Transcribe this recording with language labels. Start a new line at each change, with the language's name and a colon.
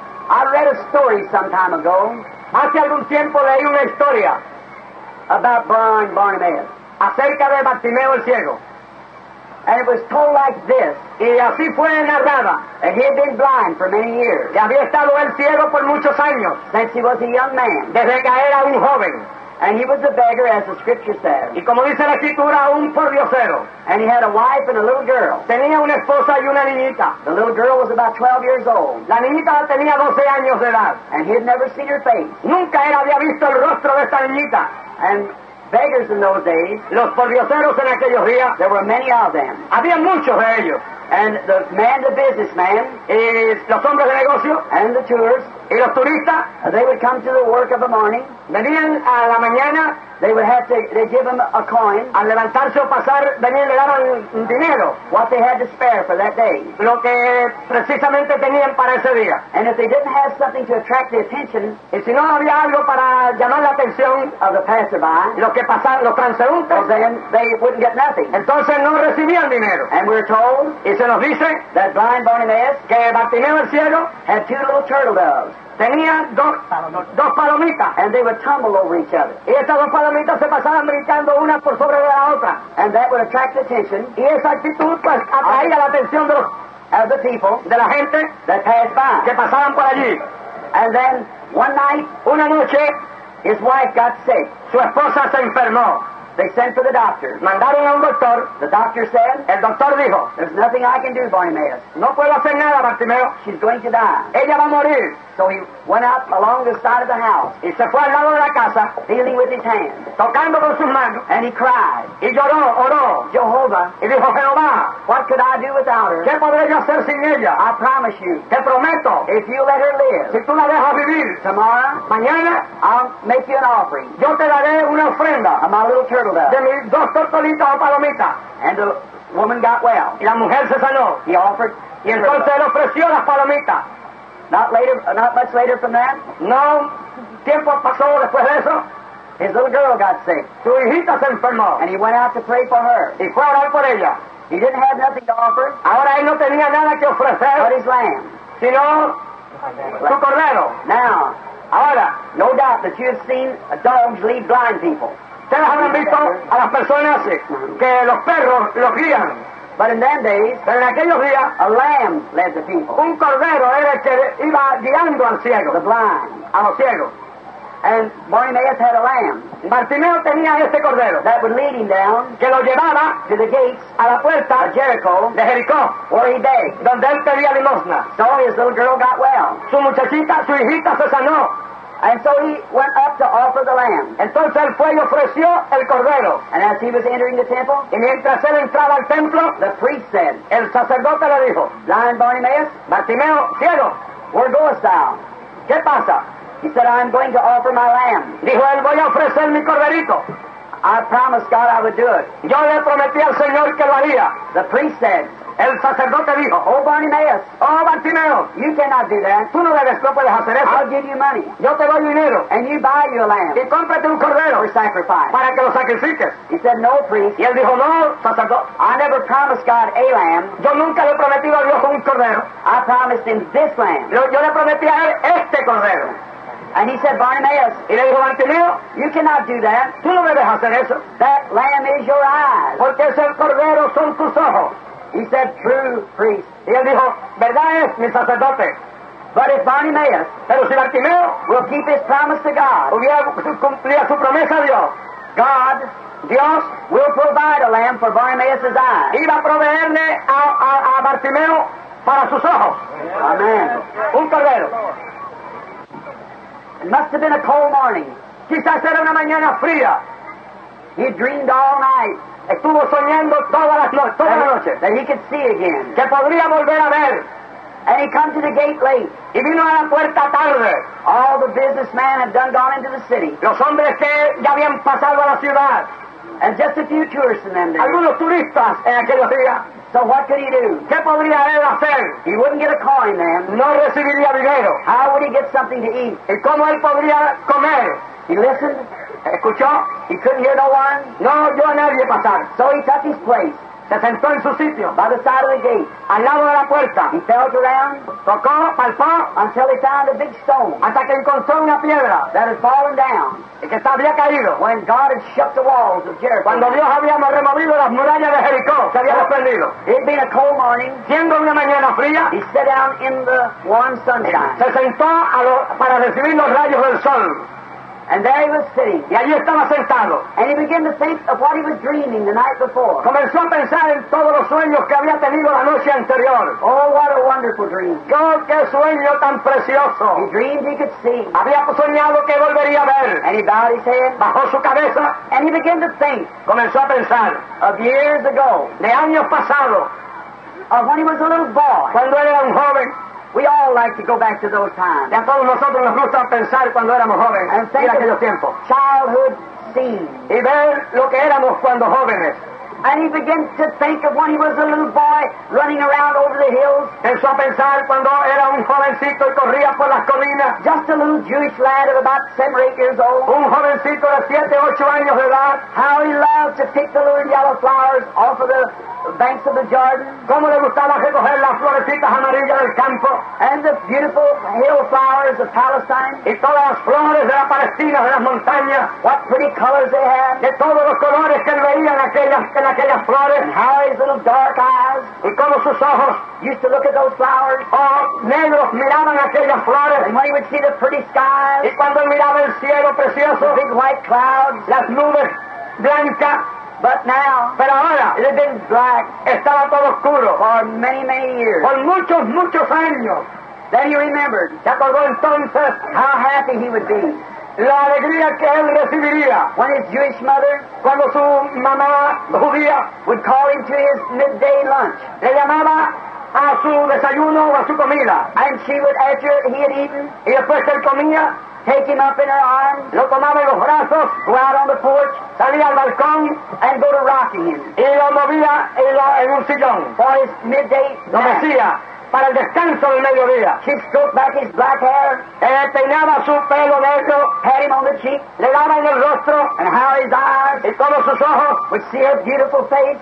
English: I read a story some time ago.
Spanish: Hace algún tiempo leí una historia
English: about blind Bartimaeus.
Spanish: Acerca de Bartimeo el ciego.
English: And it was told like this.
Spanish: Y así fue narrada.
English: And he had been blind for many years.
Spanish: Y había estado el ciego por muchos años.
English: Since he was a young man.
Spanish: Desde que era un joven.
English: And he was a beggar, as the scripture says.
Spanish: Y como dice la escritura, un pordiosero.
English: And he had a wife and a little girl.
Spanish: Tenía una esposa y una niñita.
English: The little girl was about 12 years old.
Spanish: La niñita tenía 12 años de edad.
English: And he had never seen her face.
Spanish: Nunca él había visto el rostro de esta niñita.
English: And beggars in those days.
Spanish: Los pordioseros en aquellos días.
English: There were many of them.
Spanish: Había muchos de ellos.
English: And the man, the businessman.
Spanish: Y los hombres de negocio.
English: And the tourists.
Spanish: Y los turistas.
English: They would come to the work of the morning.
Spanish: Venían a la mañana.
English: They would have to, they'd give them a coin.
Spanish: Al levantarse o pasar, venían le daban dinero.
English: What they had to spare for that day.
Spanish: Lo que precisamente tenían para ese día.
English: And if they didn't have something to attract the attention.
Spanish: Y si no había algo para llamar la atención.
English: Of the passerby.
Spanish: Los que pasaron, los transeúntes.
English: Then they wouldn't get nothing.
Spanish: Entonces no recibían dinero.
English: And we're told.
Spanish: Y se nos dice.
English: That blind Bartimaeus.
Spanish: Que Bartimeo el ciego.
English: Had two little turtle doves.
Spanish: Tenía dos palomitas.
English: And they would tumble over each other.
Spanish: Y estas dos palomitas se pasaban brincando una por sobre de la otra.
English: And that would attract attention.
Spanish: Y esa actitud pues atraía la atención de los
English: of the people,
Spanish: de la gente
English: that passed by,
Spanish: que pasaban por allí.
English: And then one night,
Spanish: una noche,
English: his wife got sick.
Spanish: Su esposa se enfermó.
English: They sent for the doctor.
Spanish: Mandaron a un doctor.
English: The doctor said.
Spanish: El doctor dijo.
English: There's nothing I can do, Bartimaeus.
Spanish: No puedo hacer nada, Bartimeo.
English: She's going to die.
Spanish: Ella va a morir.
English: So he went up along the side of the house.
Spanish: Y se fue al lado de la casa.
English: Dealing with his hands.
Spanish: Tocando con sus manos.
English: And he cried.
Spanish: Y lloró, oró.
English: Jehovah.
Spanish: Y dijo, Jehová.
English: What could I do without her?
Spanish: ¿Qué podré yo hacer sin ella?
English: I promise you.
Spanish: Te prometo.
English: If you let her live.
Spanish: Si tú la dejas vivir.
English: Tomorrow.
Spanish: Mañana.
English: I'll make you an offering.
Spanish: Yo te daré una ofrenda.
English: A my little turtle dove.
Spanish: De mis dos tortolitas o palomitas.
English: And the woman got well.
Spanish: Y la mujer se sanó.
English: He offered.
Spanish: Y entonces él ofreció las palomitas.
English: Not much later from that.
Spanish: No, tiempo pasó después de eso.
English: His little girl got sick.
Spanish: Su hijita se enfermó.
English: And he went out to pray for her.
Spanish: Y fue a orar por ella.
English: He didn't have nothing to offer.
Spanish: Ahora él no tenía nada que ofrecer.
English: But his lamb.
Spanish: Sino su cordero.
English: Now,
Spanish: ahora,
English: no doubt that you have seen dogs lead blind people.
Spanish: Ustedes habrán visto a las personas que los perros los guían.
English: But in them days,
Spanish: pero en aquellos días,
English: a lamb led the people.
Spanish: Un cordero era el que iba guiando al ciego.
English: The blind.
Spanish: A los ciegos.
English: And Bartimaeus had a lamb.
Spanish: Bartimeo tenía este cordero.
English: That would lead him down.
Spanish: Que lo llevaba.
English: To the gates.
Spanish: A la puerta.
English: Of Jericho.
Spanish: De Jericó.
English: Where he begged.
Spanish: Donde él pedía limosna.
English: So his little girl got well.
Spanish: Su muchachita, su hijita se sanó.
English: And so he went up to offer the lamb.
Spanish: Entonces él fue y ofreció el cordero.
English: And as he was entering the temple.
Spanish: Y mientras él entraba al templo.
English: The priest said.
Spanish: El sacerdote le dijo.
English: Blind Bartimaeus.
Spanish: Bartimeo, ciego.
English: Where goest thou?
Spanish: ¿Qué pasa?
English: He said, I'm going to offer my lamb.
Spanish: Dijo, él, voy a ofrecer mi corderito.
English: I promised God I would do it.
Spanish: Yo le prometí al Señor que lo haría.
English: The priest said.
Spanish: El sacerdote dijo,
English: oh, Bartimaeus.
Spanish: Oh, Bartimeo.
English: You cannot do that.
Spanish: Tú no debes, no puedes hacer eso.
English: I'll give you money.
Spanish: Yo te doy dinero.
English: And you buy you a lamb.
Spanish: Y cómprate un cordero.
English: For sacrifice.
Spanish: Para que lo sacrifiques.
English: He said, no, priest.
Spanish: Y él dijo, no, sacerdote.
English: I never promised God a lamb.
Spanish: Yo nunca le prometí a Dios un cordero.
English: I promised him this lamb.
Spanish: Yo le prometí a él este cordero.
English: And he said, Bartimaeus,
Spanish: y le dijo, Bartimeo,
English: you cannot do that.
Spanish: Tú no debes hacer eso.
English: That lamb is your eyes.
Spanish: Porque ese cordero son tus ojos.
English: He said, true priest.
Spanish: Y él dijo, verdad es, mi sacerdote.
English: But if Bartimaeus,
Spanish: pero si Bartimeo,
English: will keep his promise to God,
Spanish: hubiera cumplido su promesa a Dios,
English: God,
Spanish: Dios,
English: will provide a lamb for Bartimaeus' eyes.
Spanish: Iba a proveerle a Bartimeo para sus ojos.
English: Amen.
Spanish: Un cordero.
English: It must have been a cold morning.
Spanish: Quizás era una mañana fría.
English: He dreamed all night.
Spanish: Estuvo soñando toda la noche.
English: That he could see again.
Spanish: Que podría volver a ver.
English: And he come to the gate late.
Spanish: Y vino a la puerta tarde.
English: All the businessmen had done gone into the city.
Spanish: Los hombres que ya habían pasado a la ciudad.
English: And just a few tourists in them there.
Spanish: Algunos turistas en aquellos días.
English: So what could he do?
Spanish: ¿Qué podría él hacer?
English: He wouldn't get a coin then.
Spanish: No recibiría dinero.
English: How would he get something to eat?
Spanish: ¿Y cómo él podría comer?
English: He listened.
Spanish: ¿Escuchó?
English: He couldn't hear no one.
Spanish: No oyó a nadie pasar.
English: So he took his place.
Spanish: Se sentó en su sitio.
English: By the side of the gate.
Spanish: Al lado de la puerta.
English: He felt around.
Spanish: Tocó, palpó.
English: Until he found a big stone.
Spanish: Hasta que encontró una piedra.
English: That had fallen down.
Spanish: Y que estaba bien caído.
English: When God had shut the walls of Jericho.
Spanish: Cuando Dios había removido las murallas de Jericó. Se había desprendido.
English: It being a cold morning.
Spanish: Siendo una mañana fría.
English: He sat down in the warm sunshine.
Spanish: Se sentó para recibir los rayos del sol.
English: And there he was sitting.
Spanish: Y allí estaba sentado.
English: And he began to think of what he was dreaming the night before.
Spanish: Comenzó a pensar en todos los sueños que había tenido la noche anterior.
English: Oh, what a wonderful dream.
Spanish: Oh, qué sueño tan precioso.
English: He dreamed he could see.
Spanish: Había soñado que volvería a ver.
English: And he bowed his head.
Spanish: Bajó su cabeza.
English: And he began to think.
Spanish: Comenzó a pensar.
English: Of years ago.
Spanish: De años pasados.
English: Of when he was a little boy.
Spanish: Cuando era un joven.
English: We all like to go back to those times.
Spanish: Y a todos nosotros nos gusta pensar cuando éramos jóvenes.
English: And think
Spanish: y aquellos
English: of
Spanish: tiempos.
English: Childhood scene.
Spanish: Y ver lo que éramos cuando jóvenes.
English: And he begins to think of when he was a little boy running around over the hills.
Spanish: Empezó a pensar cuando era un jovencito y corría por las colinas.
English: Just a little Jewish lad of about 7 or 8 years old.
Spanish: Un jovencito de 7 o 8 años de edad.
English: How he loved to pick the little yellow flowers off of the banks of the Jordan.
Spanish: Cómo le gustaba recoger las florecitas amarillas del campo.
English: And the beautiful hill flowers of Palestine.
Spanish: Y todas las flores de la Palestina, de las montañas.
English: What pretty colors they had.
Spanish: De todos los colores que veían aquellas flores.
English: And how his little dark eyes.
Spanish: Y cómo sus ojos.
English: Used to look at those flowers.
Spanish: Oh, negros miraban aquellas flores.
English: And when he would see the pretty skies.
Spanish: Y cuando miraba el cielo precioso.
English: The big white clouds.
Spanish: Las nubes blanca.
English: But now,
Spanish: pero ahora,
English: it had been black.
Spanish: Estaba todo oscuro.
English: For many, many years.
Spanish: Por muchos, muchos años.
English: Then he remembered.
Spanish: Se acordó entonces
English: how happy he would be.
Spanish: La alegría que él recibiría.
English: When his Jewish mother,
Spanish: cuando su mamá judía,
English: would call him to his midday lunch.
Spanish: Le llamaba a su desayuno o a su comida.
English: And she would, after he had eaten,
Spanish: y después él comía,
English: take him up in her arms,
Spanish: lo tomaba en los brazos,
English: go out on the porch,
Spanish: salía al balcón,
English: and go to rocking him.
Spanish: Y lo movía en un sillón.
English: For his midday
Spanish: lo mecía para el descanso del mediodía.
English: She stroked back his black hair,
Spanish: peinaba su pelo negro,
English: pat him on the cheek,
Spanish: le daba en el rostro,
English: and how his eyes,
Spanish: y todos sus ojos,
English: would see her beautiful face,